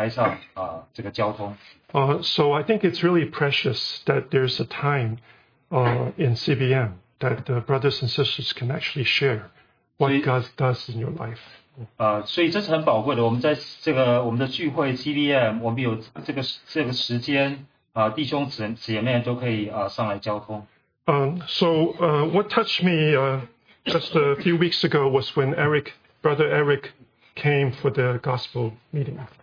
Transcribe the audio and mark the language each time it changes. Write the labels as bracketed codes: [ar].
[zh] 我们没有像弟兄，我们在这里有弟兄姐妹有这种自由分享时间，我们只有弟兄在台上这个交通。 [en] So I think it's really precious that there's a time in CBM that the brothers and sisters can actually share what God does in your life. [zh] 所以这是很宝贵的，我们在这个我们的聚会 CBM， 我们有这个时间，弟兄姊妹都可以上来交通。 [en] What touched me just a few weeks ago was when Brother Eric came for the gospel meeting.